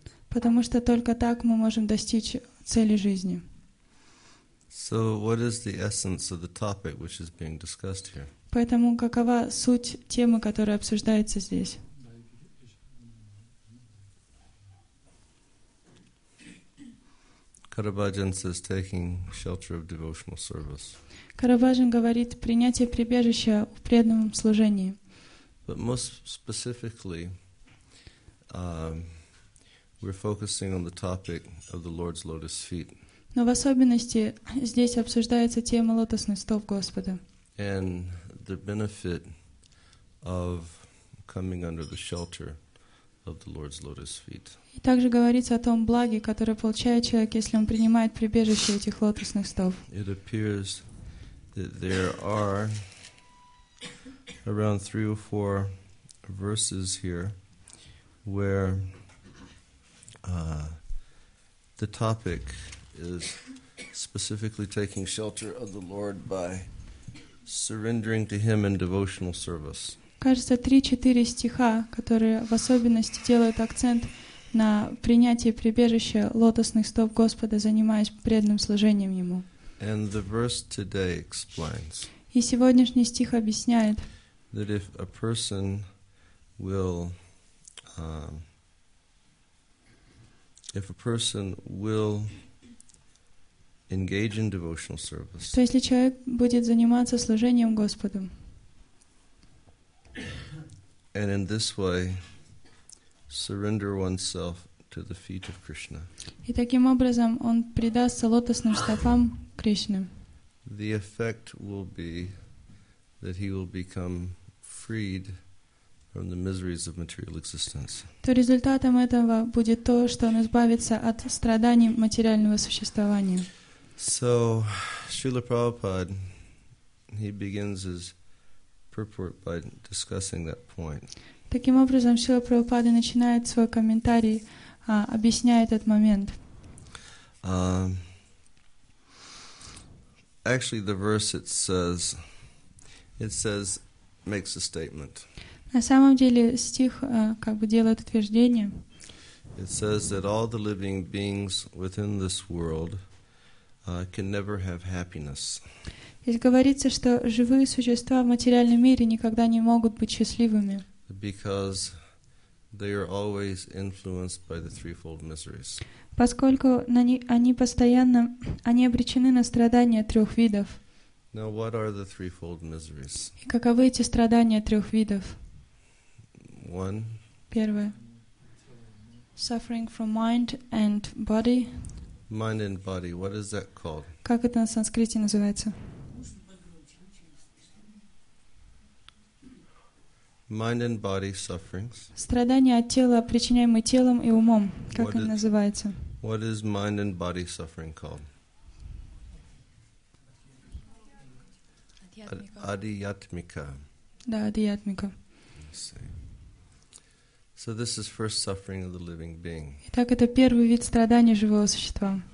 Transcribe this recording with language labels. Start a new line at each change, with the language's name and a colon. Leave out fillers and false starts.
Russian: Потому что только так мы можем достичь цели жизни.
English: So what is the essence of the topic which is being discussed here?
Russian: Поэтому какова суть темы, которая обсуждается здесь?
English: Karabajan says taking shelter of devotional service.
Russian: Karabajan говорит принятие прибежища в преданном служении.
English: But most specifically, we're focusing on the topic of the Lord's lotus feet.
Russian: Но в особенности здесь обсуждается тема лотосных стоп Господа.
English: And the benefit of coming under the shelter of the Lord's lotus feet.
Russian: И также говорится о том благе, которое получает человек, если он принимает прибежище этих лотосных стоп.
English: It appears that there are around 3 or 4 verses here where the topic is specifically taking shelter of the Lord by surrendering to Him in devotional service.
Russian: Кажется, 3-4 стиха, которые в особенности делают акцент на принятие прибежища лотосных стоп Господа, занимаясь преданным служением Ему.
English: And the verse today explains,
Russian: и сегодняшний стих объясняет,
English: that if a person will, if a person will engage in devotional service,
Russian: то если человек будет заниматься служением Господу,
English: and in this way surrender oneself to the feet of Krishna.
Russian: И таким образом он предастся лотосным стопам Кришны.
English: The effect will be that he will become freed from the miseries of material existence.
Russian: То результатом этого будет то, что он избавится от страданий материального существования.
English: So, Srila Prabhupada, he begins his purport by discussing that point.
Russian: Таким образом, Шрила Прабхупада начинает свой комментарий, объясняя этот момент.
English: Actually, the verse it says makes a statement.
Russian: На самом деле, стих как бы делает утверждение.
English: It says that all the living beings within this world can never have happiness.
Russian: Здесь говорится, что живые существа в материальном мире никогда не могут быть счастливыми.
English: Because they are always influenced by the threefold miseries.
Russian: Поскольку они постоянно обречены на страдания трех видов.
English: Now, what are the threefold miseries?
Russian: И каковы эти страдания трех видов?
English: One.
Russian: Первое.
English: Suffering from mind and body. Mind and body. What is that called?
Russian: Как это на санскрите называется?
English: Mind and body sufferings.
Russian: Страдания от тела, причиняемые телом и умом. Как это называется?
English: What is mind and body suffering called?
Sanskrit: Adiyatmika.
Russian: Да, адиятмика.
English: So this is first suffering of the living being.
Russian: Итак, это первый вид страдания живого существа.